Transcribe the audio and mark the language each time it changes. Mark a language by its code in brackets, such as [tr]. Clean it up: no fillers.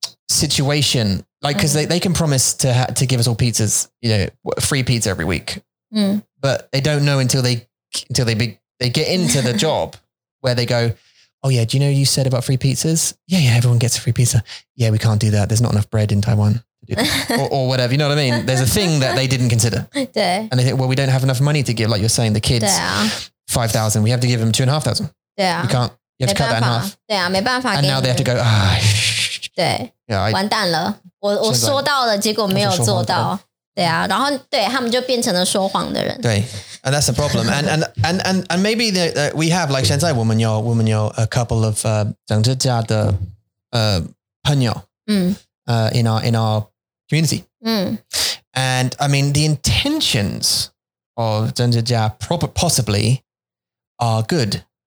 [en] situation, like, because they can promise to give us all pizzas, you know, free pizza every week, but they don't know until they get into the job where they go, oh yeah, do you know you said about free pizzas? Yeah, yeah, everyone gets a free pizza. Yeah, we can't do that. There's not enough bread in Taiwan to do that. or whatever. You know what I mean? There's a thing that they didn't consider. And they think, well, we don't have enough money to give, like you're saying, the kids 5,000. We have to give them 2,500. Yeah. We can't. You have to cut that in half. [zh] 对啊，没办法。 [en] And now they have to go, [zh] 对，完蛋了，我说到了，结果没有做到。对啊，然后对，他们就变成了说谎的人。对， [en] and that's a problem. And maybe that we have, like, [zh] 现在我们有 [en] a couple of [zh] 政治家的 朋友 [en] in our community. And I mean, the intentions of 政治家 possibly are good.